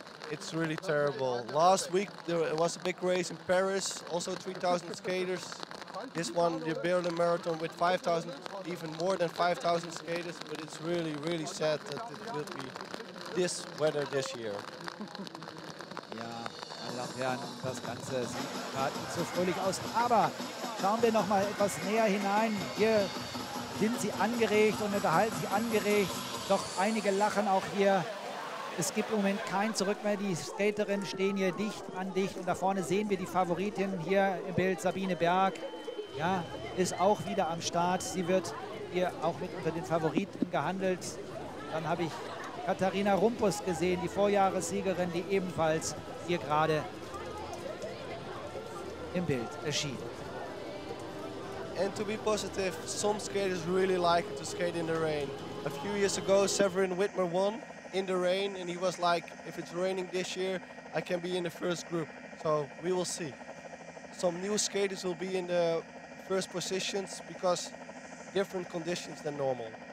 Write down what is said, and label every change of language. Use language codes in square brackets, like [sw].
[en] It's really terrible. Last week there was a big race in Paris, also 3,000 skaters. This one, the Berlin Marathon, with 5,000, even more than 5,000 skaters, but it's really, really sad that it will be this weather this year. [de] Ja, meine Damen und Herren, das Ganze sieht gerade nicht so fröhlich aus. Aber schauen wir noch mal etwas näher hinein. Hier sind sie angeregt und unterhalten sich angeregt. Doch einige lachen auch hier. Es gibt im Moment kein Zurück mehr. Die Skaterinnen stehen hier dicht an dicht. Und da vorne sehen wir die Favoritin hier im Bild, Sabine Berg. Ja, ist auch wieder am Start. Sie wird hier auch mit unter den Favoriten gehandelt. Dann habe ich Katharina Rumpus gesehen, die Vorjahressiegerin, die ebenfalls hier gerade im Bild erschien. [en] And to be positive, some skaters really like to skate in the rain. A few years ago, Severin Whitmer won in the rain and he was like, if it's raining this year, I can be in the first group. So we will see. Some new skaters will be in the first positions because different conditions than normal.